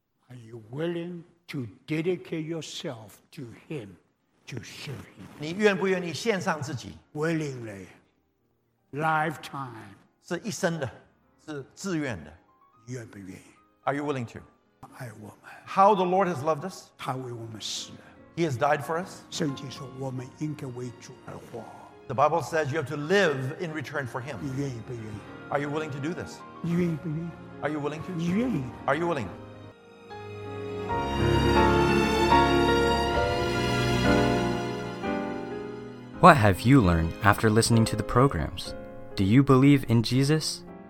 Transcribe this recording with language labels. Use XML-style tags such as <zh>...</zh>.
<en>Are you willing to dedicate yourself to Him, to serve Him?</en> <zh>你愿不愿意献上自己？</zh> <en>Willingly, lifetime</en> <zh>是一生的，是自愿的。愿不愿意？</zh> <en>Are you willing to?</en> <zh>爱我们。</zh> <en>How the Lord has loved us?</en> <zh>他为我们死了。</zh> <en>He has died for us.</en> <zh>圣经说我们应该为主而活。</zh> <en>The Bible says you have to live in return for Him.</en> <zh>你愿意不愿意？</zh> <en>Are you willing to do this?</en> <zh>你愿意不愿意？</zh> <en>Are you willing to?</en> <zh>你愿意？</zh> <en>Are you willing? What have you learned after listening to the programs? Do you believe in Jesus?</en>